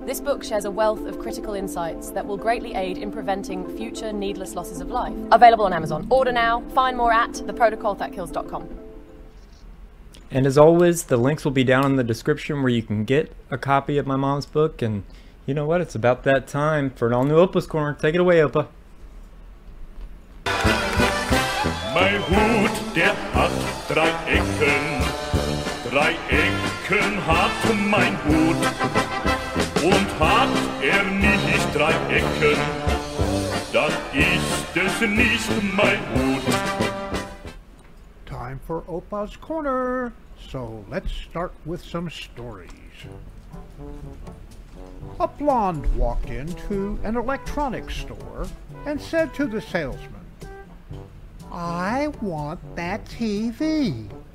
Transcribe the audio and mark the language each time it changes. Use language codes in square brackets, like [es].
[en] This book shares a wealth of critical insights that will greatly aid in preventing future needless losses of life. Available on Amazon. Order now. Find more at theprotocolthatkills.com. And as always, the links will be down in the description where you can get a copy of my mom's book. And you know what? It's about that time for an all-new Opa's Corner. Take it away, Opa. [de] Mein Hut, der hat drei Ecken. Drei Ecken hat mein Hut. Und hat nicht drei Ecken, dann ist es nicht mein Hut. [en] Time for Opa's Corner. So let's start with some stories. A blonde walked into an electronics store and said to the salesman, I want that TV.